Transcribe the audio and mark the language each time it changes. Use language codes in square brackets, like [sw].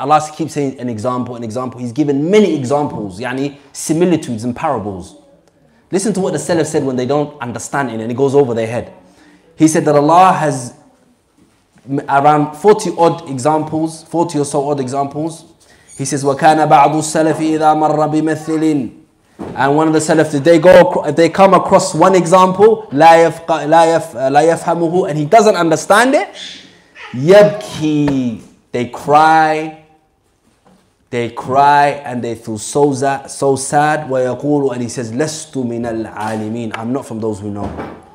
[en] Allah keeps saying an example, an example. He's given many examples, yani similitudes and parables. Listen to what the Salaf said when they don't understand it and it goes over their head. He said that Allah has around 40 odd examples, 40 or so odd examples. He says, [ar] وَكَانَ بَعْضُ السَّلَفِ إِذَا مَرَّ بِمَثِّلٍ. [en] And one of the Salaf, if they come across one example, [ar] لَا يَفْهَمُهُ, [en] and he doesn't understand it, [ar] يَبْكِ, [en] they cry, and they feel so sad, [ar] وَيَقُولُ, [en] and he says, [ar] لَسْتُ مِنَ الْعَالِمِينَ, [en] I'm not from those who know.